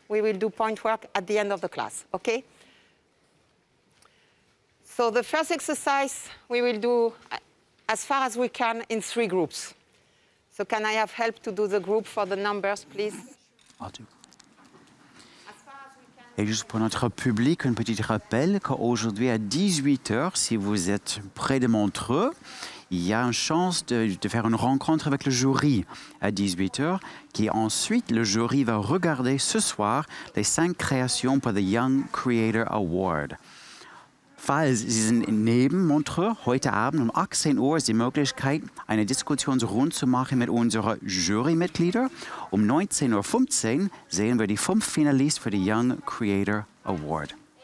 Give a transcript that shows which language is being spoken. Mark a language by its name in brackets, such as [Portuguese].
[English] We will do point work at the end of the class, okay? So the first exercise we will do as far as we can in three groups. So can I have help to do the group for the numbers, please? I'll do. [French] Et juste pour notre public, un petit rappel qu'aujourd'hui à 18h, si vous êtes près de Montreux, il y a une chance de faire une rencontre avec le jury à 18h, qui ensuite, le jury va regarder ce soir les 5 créations pour the Young Creator Award. [German] Falls Sie sind neben Montreux, heute Abend um 18 Uhr ist die Möglichkeit, eine Diskussionsrunde zu machen mit unseren Jurymitgliedern. Um 19.15 Uhr sehen wir die 5 Finalisten für die Young Creator Award.